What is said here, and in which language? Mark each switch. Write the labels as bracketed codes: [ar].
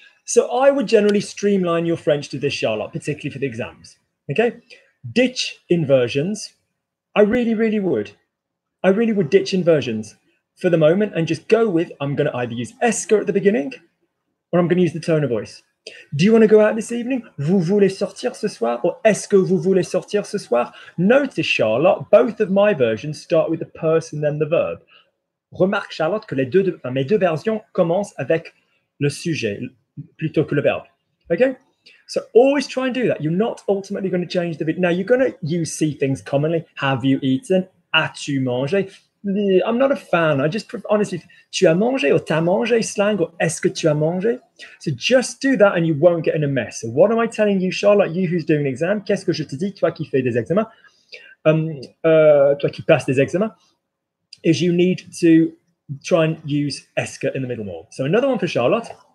[en] So I would generally streamline your French to this, Charlotte, particularly for the exams. Okay? Ditch inversions. I really, really would. I really would ditch inversions for the moment and just go with, I'm going to either use est-ce at the beginning or I'm going to use the tone of voice. Do you want to go out this evening? [fr] Vous voulez sortir ce soir? Or est-ce que vous voulez sortir ce soir? [en] Notice, Charlotte, both of my versions start with the person, then the verb. [fr] Remarque, Charlotte, que mes deux versions commencent avec le sujet plutôt que le verbe. [en] Okay? So always try and do that. You're not ultimately going to change the video. Now, you're going to see things commonly. Have you eaten? [fr] As-tu mangé? [en] I'm not a fan. I just honestly, [fr] tu as mangé or t'as mangé slang or est-ce que tu as mangé? [en] So just do that and you won't get in a mess. So what am I telling you, Charlotte? You who's doing an exam, [fr] qu'est-ce que je te dis? Toi qui fais des examens, [en] toi qui passes des examens, is you need to try and use est-ce que in the middle more. So another one for Charlotte.